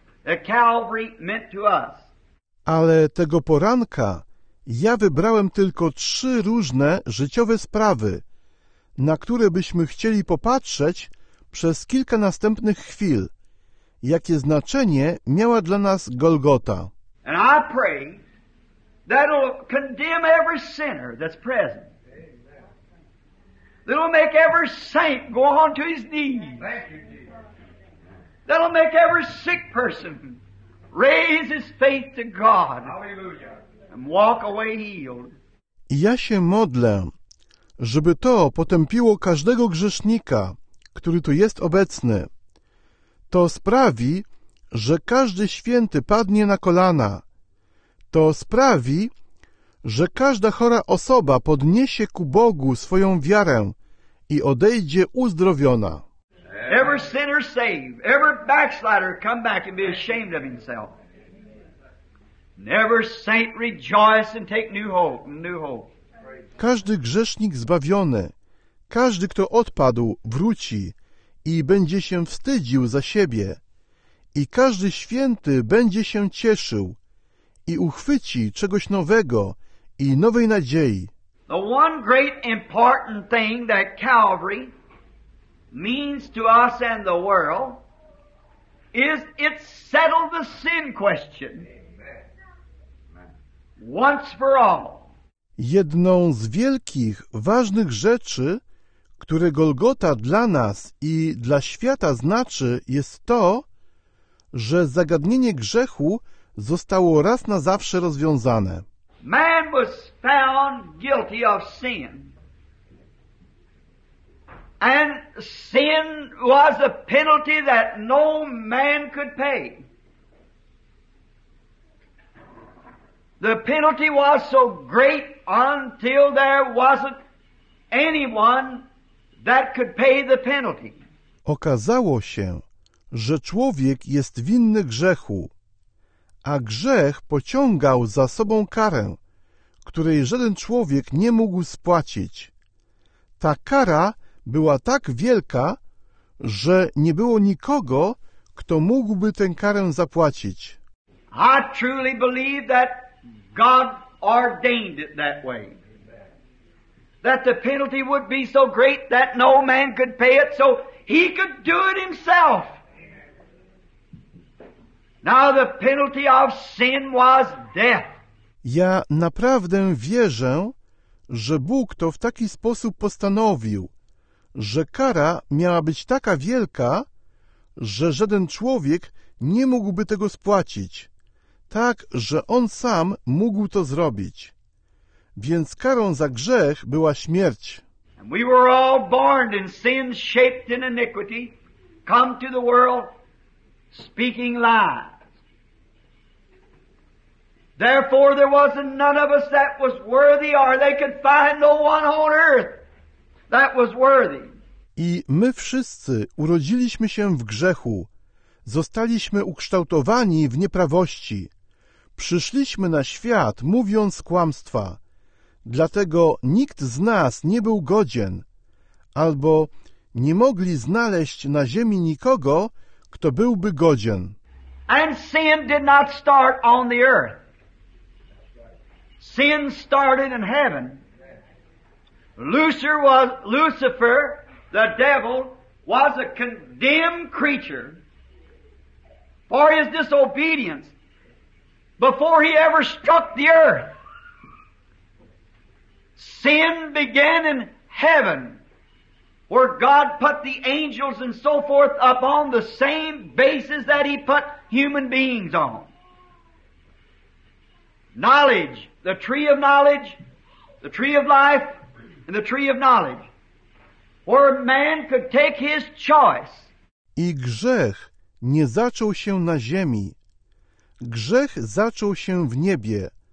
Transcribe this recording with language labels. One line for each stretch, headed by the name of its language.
English: That Calvary meant to us.
Polish: Ale tego poranka ja wybrałem tylko trzy różne życiowe sprawy, na które byśmy chcieli popatrzeć przez kilka następnych chwil, jakie znaczenie miała dla nas Golgota.
English: And I pray that'll condemn every sinner that's present. That'll make every saint go on to his knees. That'll make every sick person raise his faith to God. Hallelujah. And walk away healed.
Polish: Ja się modlę, żeby to potępiło każdego grzesznika, który tu jest obecny. To sprawi, że każdy święty padnie na kolana. To sprawi, że każda chora osoba podniesie ku Bogu swoją wiarę i odejdzie uzdrowiona.
English: Every sinner saved, every backslider come back and be ashamed of himself. Never saint rejoice and take new hope, new hope.
Polish: Każdy grzesznik zbawiony, każdy, kto odpadł, wróci i będzie się wstydził za siebie. I każdy święty będzie się cieszył i uchwyci czegoś nowego i nowej nadziei.
English: The one great important thing that Calvary means to us and the world is it settled the sin question. Once for all.
Polish: Jedną z wielkich, ważnych rzeczy, które Golgota dla nas i dla świata znaczy, jest to, że zagadnienie grzechu zostało raz na zawsze rozwiązane.
English: Man was found guilty of sin. And sin was a penalty that no man could pay. The penalty was so great until there wasn't anyone that could pay the penalty.
Polish: Okazało się, że człowiek jest winny grzechu, a grzech pociągał za sobą karę, której żaden człowiek nie mógł spłacić. Ta kara była tak wielka, że nie było nikogo, kto mógłby tę karę zapłacić.
English: I truly believe that God ordained it that way. That the penalty would be so great that no man could pay it, so he could do it himself. Now the penalty of sin was death.
Polish: Ja naprawdę wierzę, że Bóg to w taki sposób postanowił, że kara miała być taka wielka, że żaden człowiek nie mógłby tego spłacić, tak, że on sam mógł to zrobić. Więc karą za grzech była śmierć.
English: And we were all born in sin shaped in iniquity, come to the world speaking lies. Therefore there was none of us that was worthy, or they could find no one on earth that was worthy.
Polish: I my wszyscy urodziliśmy się w grzechu, zostaliśmy ukształtowani w nieprawości. Przyszliśmy na świat mówiąc kłamstwa, dlatego nikt z nas nie był godzien, albo nie mogli znaleźć na ziemi nikogo, kto byłby godzien.
English: And sin did not start on the earth. Sin started in heaven. Lucifer, the devil, was a condemned creature for his disobedience before he ever struck the earth. Sin began in heaven, where God put the angels and so forth up on the same basis that he put human beings on. Knowledge, the tree of knowledge, the tree of life, and the tree of knowledge. Or man could take his choice.
Polish: I grzech nie zaczął się na ziemi. Grzech zaczął się w niebie.